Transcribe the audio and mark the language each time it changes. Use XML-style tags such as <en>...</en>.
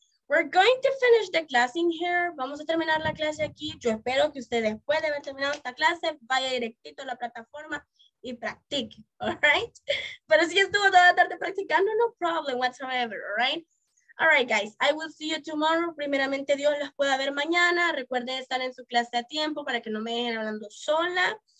<en>We're going to finish the class in here.</en> <es>Vamos a terminar la clase aquí. Yo espero que usted, después de haber terminado esta clase, vaya directito a la plataforma y practique, all right? Pero si estuvo toda la tarde practicando,</es> <en>no problem whatsoever, all right? All right, guys, I will see you tomorrow.</en> <es>Primeramente, Dios los pueda ver mañana. Recuerden estar en su clase a tiempo para que no me dejen hablando sola.</es>